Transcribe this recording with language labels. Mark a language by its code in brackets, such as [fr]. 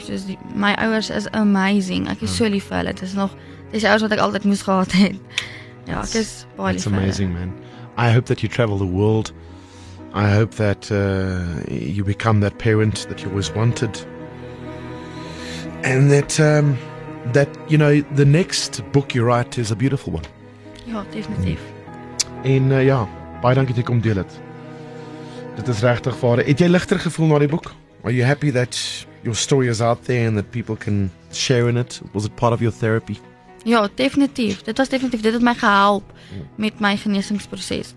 [af] Soos my ouers is amazing. Ek is so lief vir hulle. Dit is nog, dis die ouers wat ek altyd moes gehad het. Ja, ek is baie lief. [en] It's amazing, man. I hope that you travel the world. I hope that you become that parent that you always wanted. And that, that you know, the next book you write is a beautiful one. [af] Ja, definitief. En ja, baie dankie dat jy kom deel het. Dit is regtig waar. Het jy ligter gevoel na die boek? [en] Are you happy that your story is out there and that people can share in it? Was it part of your therapy? [af] Ja, definitief. Dit was definitief. Dit het my gehelp met my genesingsproses.